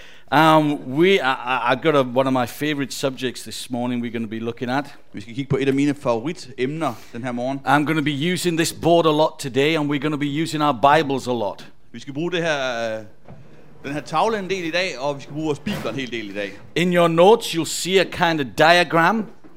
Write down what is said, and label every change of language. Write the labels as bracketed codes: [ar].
[en] I've got one of my favorite subjects this morning we're going to be looking at. [da] Vi skal kigge på et af mine favoritemner den her morgen. [en] I'm going to be using this board a lot today, and we're going to be using our Bibles a lot. [da] Vi skal bruge den her tavle en del i dag, og vi skal bruge vores bibler en hel del i dag. [en] In your notes, you'll see a kind of diagram.